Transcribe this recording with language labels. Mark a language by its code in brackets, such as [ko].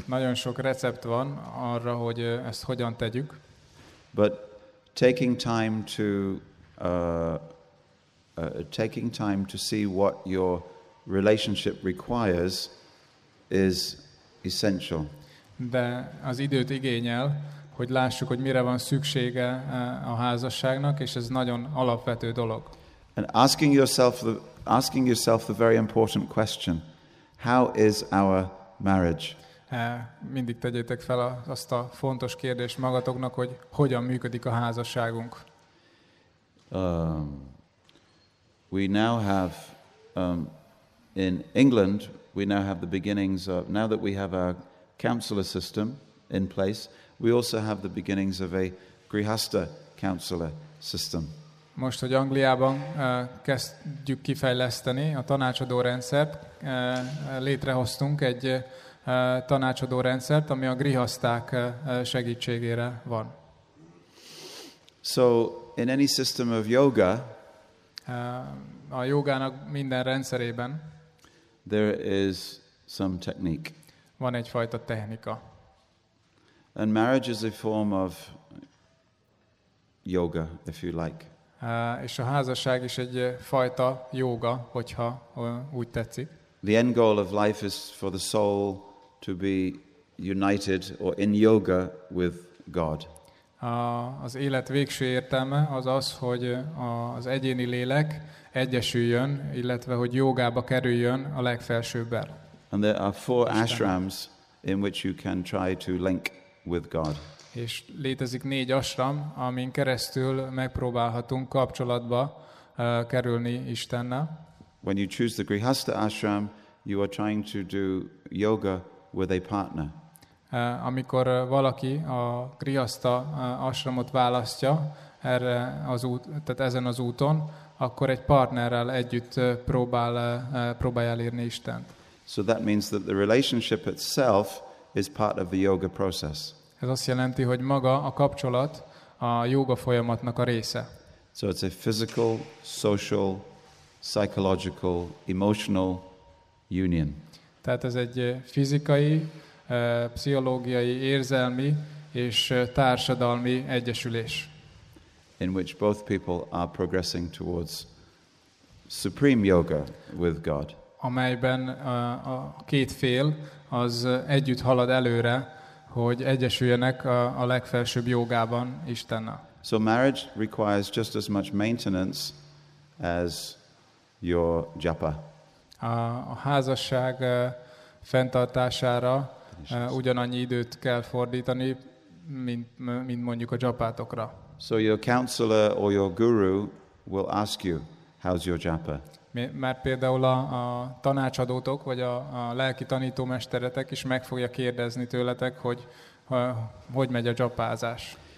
[hu] Nagyon sok recept van arra, hogy ezt hogyan tegyük. [en] But taking time to see what your relationship requires is essential. [hu] De az időt igényel, hogy lássuk, hogy mire van szüksége a házasságnak, és ez nagyon alapvető dolog. [en] And asking yourself the very important question, how is our marriage? [hu] Mindig tegyétek fel azt a fontos kérdést magatoknak, hogy hogyan működik a házasságunk. [en] We now have in England, we now have the beginnings of, now that we have our councillor system. in place, we also have the beginnings of a grihasta counselor system. [hu] Most, hogy Angliában kezdjük kifejleszteni a tanácsadó rendszert, létrehoztunk egy tanácsadó rendszert, ami a grihaszták segítségére van. [en] So, in any system of yoga, [hu] a jogának minden rendszerében [en] there is some technique. [hu] Van egyfajta technika. [en] And marriage is a form of yoga, if you like. [hu] És a házasság is egy fajta jóga, hogyha úgy tetszik. [en] The end goal of life is for the soul to be united or in yoga with God. [hu] Az élet végső értelme az az, hogy az egyéni lélek egyesüljön, illetve hogy jógába kerüljön a legfelsőbbel. [en] And there are four ashrams in which you can try to link with God. [hu] És létezik négy ashram, amin keresztül megpróbálhatunk kapcsolatba kerülni Istennel. [en] When you choose the grihasta ashram, you are trying to do yoga with a partner. [hu] Amikor valaki a grihasta ashramot választja, erre az út, tehát ezen az úton, akkor egy partnerrel együtt próbál elérni Istent. [en] So that means that the relationship itself is part of the yoga process. [hu] Ez azt jelenti, hogy maga a kapcsolat a jóga folyamatnak a része. [en] So it's a physical, social, psychological, emotional union. [hu] Tehát ez egy fizikai, pszichológiai, érzelmi és társadalmi egyesülés. [en] In which both people are progressing towards supreme yoga with God. [hu] Amelyben a két fél az együtt halad előre, hogy egyesüljenek a legfelsőbb jógában Istennel. [en] So marriage requires just as much maintenance as your japa. [hu] A házasság fenntartására ugyanannyi időt kell fordítani, mint mondjuk a japátokra. [en] So your counselor or your guru will ask you, how's your japa? [hu] Mert például a tanácsadótok, vagy a lelki tanítómesteretek is meg fogja kérdezni tőletek, hogy hogy megy a japázás.